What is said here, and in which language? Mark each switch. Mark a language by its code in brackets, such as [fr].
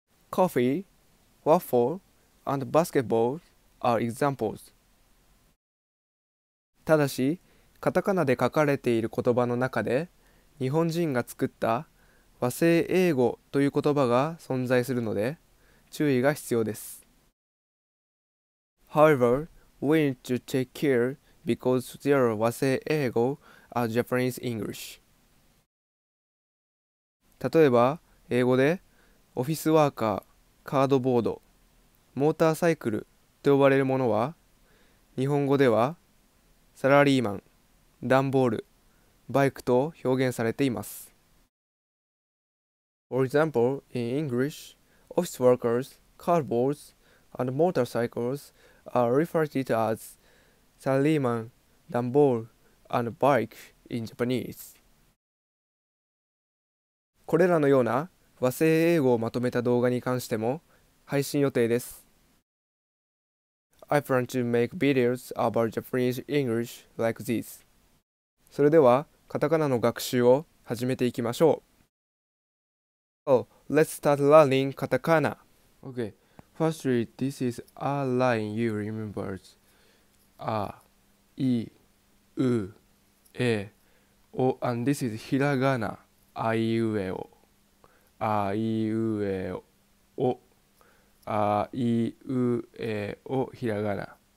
[en] Coffee, waffle, and basketball are examples. [ja] ただし、カタカナで書かれている言葉の中で、日本人が作った和製英語という言葉が存在するので、注意が必要です。 [en] However, we need to take care because there are 和製英語 as Japanese English. [ja] 例えば、英語でオフィスワーカー、カードボード、モーターサイクルと呼ばれるものは、日本語ではサラリーマン、ダンボール、バイクと表現されています。 [en] For example, in English, office workers, cardboards, and motorcycles are referred to as salaryman, dumbbell, and bike in Japanese. [ja] これらのような和製英語をまとめた動画に関しても配信予定です。 [en] I plan to make videos about Japanese English like this. [ja] それでは、カタカナの学習を始めていきましょう。 [en] Oh, let's start learning katakana. Okay, firstly, this is a line you remember. A, I, U, E, O, and this is hiragana. A, I, U, E, O. A, I, U, E, O. A, I, U, E, O, hiragana.